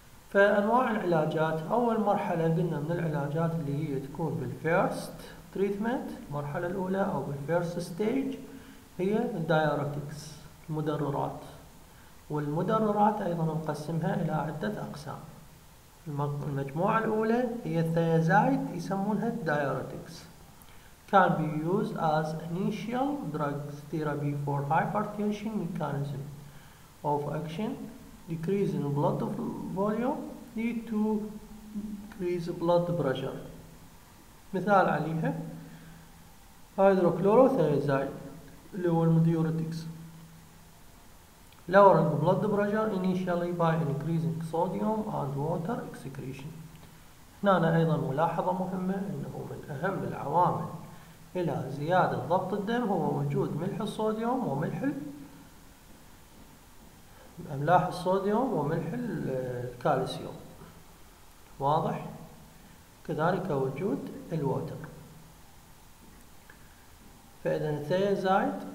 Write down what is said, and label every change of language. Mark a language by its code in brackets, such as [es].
[ar] فأنواع العلاجات، أول مرحلة قلنا من العلاجات اللي هي تكون بالفيرست تريتمنت، المرحلة الأولى أو بالفيرست ستيج، هي الدايوريتكس، المدررات. والمدررات أيضا نقسمها إلى عدة أقسام. المجموعة الأولى هي الثيازايد، يسمونها الدايوريتكس، [en] can be used as initial drug therapy for hypertension mechanism of action. Decrease in blood volume lead to decrease blood pressure. [ar] مثال عليها [en] hydrochlorothiazide [ar] اللي هو المديوريتكس، [en] lowering blood pressure initially by increasing sodium and water excretion. [ar] هنا أيضا ملاحظة مهمة أنه من أهم العوامل إلى زيادة ضغط الدم هو وجود ملح الصوديوم وملح أملاح الصوديوم وملح الكالسيوم، واضح؟ كذلك وجود الووتر. فإذا الثيازايد